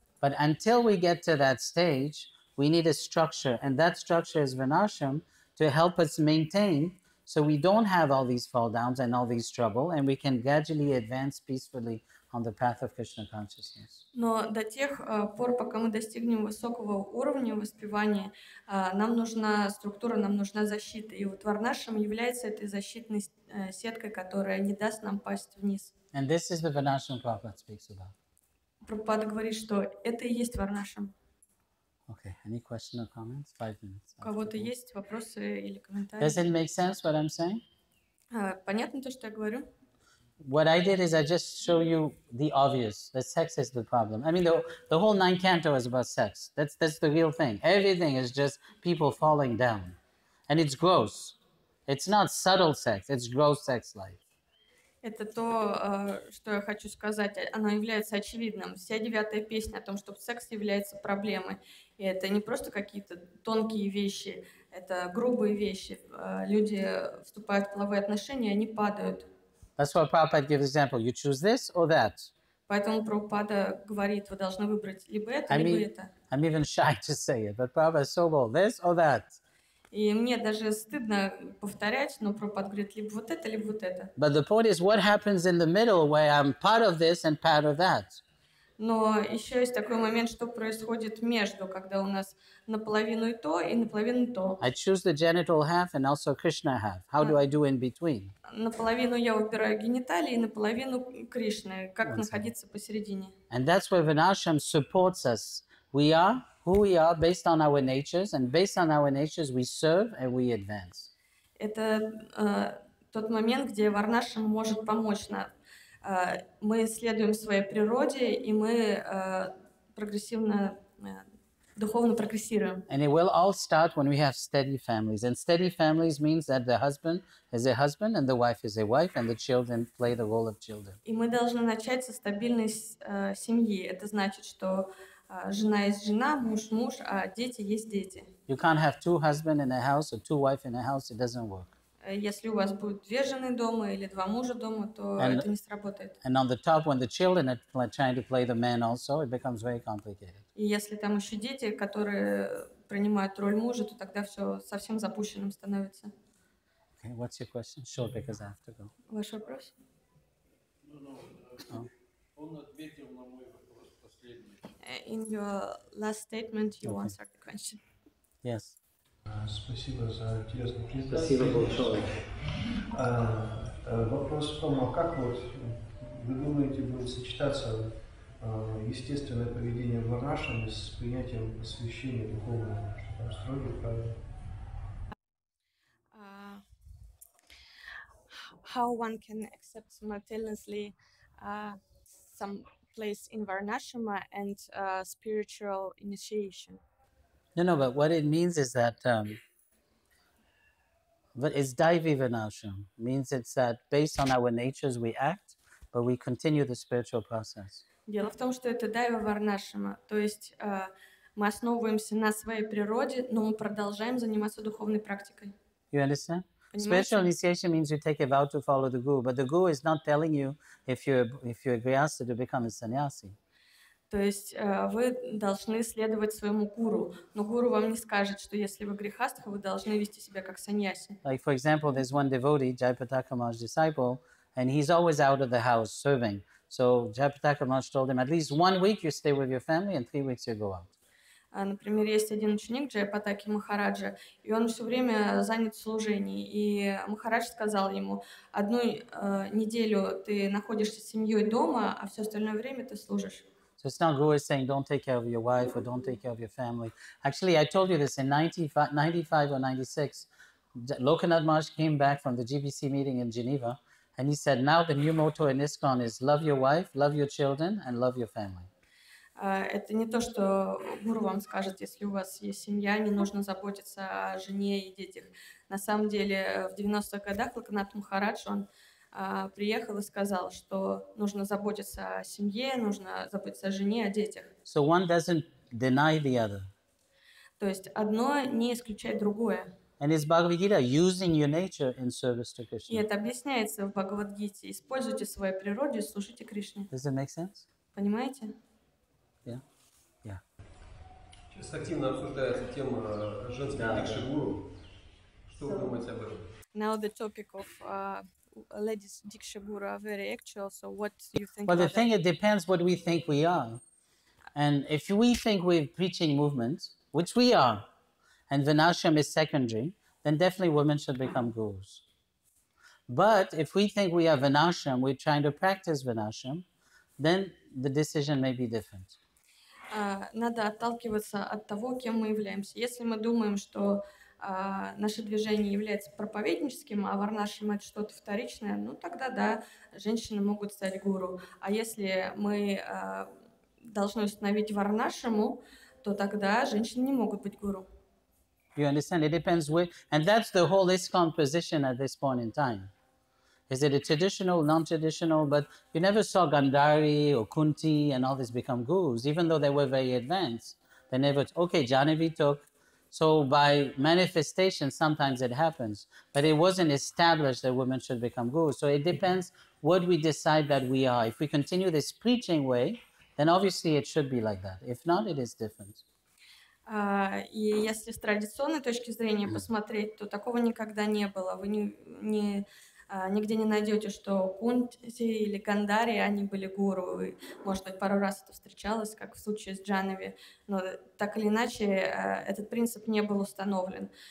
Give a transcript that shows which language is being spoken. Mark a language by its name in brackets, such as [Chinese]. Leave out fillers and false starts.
[English] But until we get to that stage, we need a structure, and that structure is Varnashrama, to help us maintain, so we don't have all these fall downs and all these trouble, and we can gradually advance peacefully on the path of Krishna consciousness. [Russian] Но до тех пор, пока мы достигнем высокого уровня воспевания, нам нужна структура, нам нужна защита. И вот Варнашрама является этой защитной сеткой, которая не даст нам пасть вниз. [English] And this is the Varnashrama Prabhupada speaks about. [Russian] Прабхупада говорит, что это и есть Варнашрама. [English] Okay, any question or comments? 5 minutes. [Russian] У кого-то есть вопросы или комментарии? [English] Does it make sense what I'm saying? [Russian] Понятно то, что я говорю? [English] What I did is I just show you the obvious, that sex is the problem. I mean, the whole nine canto is about sex. That's the real thing. Everything is just people falling down. And it's gross. It's not subtle sex, it's gross sex life. [Russian] Это то, что я хочу сказать, оно является очевидным. Вся девятая песня о том, что секс является проблемой. И это не просто какие-то тонкие вещи, это грубые вещи. Люди вступают в половые отношения, они падают. [English] That's why Prabhupada gives example. You choose this or that. [Russian] Поэтому Прабхупада говорит, вы должны выбрать либо это, [English] I'm [Russian] либо это. [English] I'm even shy to say it, but Prabhupada is so bold. This or that. [Russian] И мне даже стыдно повторять, но Прабхупада говорит, либо вот это, либо вот это. [English] But the point is, what happens in the middle, where I'm part of this and part of that? [Russian] Но еще есть такой момент, что происходит между, когда у нас наполовину и то, и наполовину то. [English] I choose the genital half and also Krishna half. How do I do in between? [Russian] Наполовину я выбираю гениталии, и наполовину Кришны. Как находиться посередине? [English] And that's where Vinashram supports us. We are who we are based on our natures, and based on our natures we serve and we advance. [Russian] Это тот момент, где Варнашрама может помочь нам. Мы следуем своей природе, и мы прогрессивно, духовно прогрессируем. [English] And it will all start when we have steady families. And steady families means that the husband is a husband, and the wife is a wife, and the children play the role of children. [Russian] И мы должны начать со стабильной семьи. Это значит, что жена есть жена, муж муж, а дети есть дети. [English] You can't have two husbands in a house or two wives in a house, it doesn't work. [Russian] Если у вас будет две жены дома или два мужа дома, то это не сработает. [English] And on the top, when the children are trying to play the man also, it becomes very complicated. [Russian] И если там еще дети, которые принимают роль мужа, то тогда все совсем запущенным становится. [English] Okay, what's your question? Sure, because I have to go. [Russian] Ваш вопрос? Он ответил на мой вопрос последний. [English] In your last statement, you answered the question. Yes. [Russian] Спасибо за интересную презентацию. Спасибо большое. Вопрос в том, а как вот вы думаете, будет сочетаться естественное поведение Варнашрамы с принятием посвящения духовного, что там строго правильно? [English] How one can accept simultaneously some place in Varnashrama and spiritual initiation. No, but what it means is that, but it's Daivi Varnashrama, means it's that based on our natures we act, but we continue the spiritual process. [Russian] Дело в том, что это Дайва Варнашрама, то есть мы основываемся на своей природе, но мы продолжаем заниматься духовной практикой. [English] You understand? Spiritual initiation means you take a vow to follow the guru, but the guru is not telling you if you're a grihastha to become a sannyasi. [Russian] То есть вы должны следовать своему гуру, но гуру вам не скажет, что если вы грихастха, вы должны вести себя как саньяси. [English] Like for example, there's one devotee, Jayapataka Maharaj's disciple, and he's always out of the house serving. So Jayapataka Maharaj told him, at least 1 week you stay with your family, and 3 weeks you go out. [Russian] Например, есть один ученик Джайпатаки Махараджа, и он все время занят в служении. И Махарадж сказал ему, одну неделю ты находишься с семьей дома, а все остальное время ты служишь. [English] So it's not guru saying, don't take care of your wife or don't take care of your family. Actually, I told you this in 95 or 96. Lokanath Maharaj came back from the GBC meeting in Geneva, and he said, now the new motto in ISKCON is love your wife, love your children, and love your family. [Russian] Это не то, что гуру вам скажет, если у вас есть семья, не нужно заботиться о жене и детях. На самом деле, в 90-х годах Лакнат Мухарадж, он приехал и сказал, что нужно заботиться о семье, нужно заботиться о жене, о детях. [English] So one doesn't deny the other. [Russian] То есть одно не исключает другое. [English] And it's Bhagavad Gita, using your nature in service to Krishna. [Russian] И это объясняется в Бхагавадгите. Используйте свою природу и служите Кришне. [English] Does it make sense? [Russian] Понимаете? Сейчас активно обсуждается тема женской дикши гуру. Что вы думаете об этом? [English] Now the topic of ladies dikshi guru are very actual. So what do you think? Well, the thing that? It depends what we think we are, and if we think we're preaching movement, which we are, and Varnashrama is secondary, then definitely women should become gurus. But if we think we are Varnashrama, we're trying to practice Varnashrama, then the decision may be different. [Russian] Надо отталкиваться от того, кем мы являемся. Если мы думаем, что наше движение является проповедническим, а варнашрама это что-то вторичное, ну тогда да, женщины могут стать гуру. А если мы должны установить варнашраму, то тогда женщины не могут быть гуру. [English] You understand? It depends where, and that's the whole ISKCON position at this point in time. Is it a traditional, non-traditional, but you never saw Gandhari or Kunti and all this become gurus, even though they were very advanced. They never, okay, Janavi took. So by manifestation, sometimes it happens, but it wasn't established that women should become gurus. So it depends what we decide that we are. If we continue this preaching way, then obviously it should be like that. If not, it is different. [Russian] И если с традиционной точки зрения посмотреть, то такого никогда не было. Вы не нигде не найдете, что Кунти или Гандари, они были гуру. И, может быть, пару раз это встречалось, как в случае с Джанави. Но так или иначе, этот принцип не был установлен.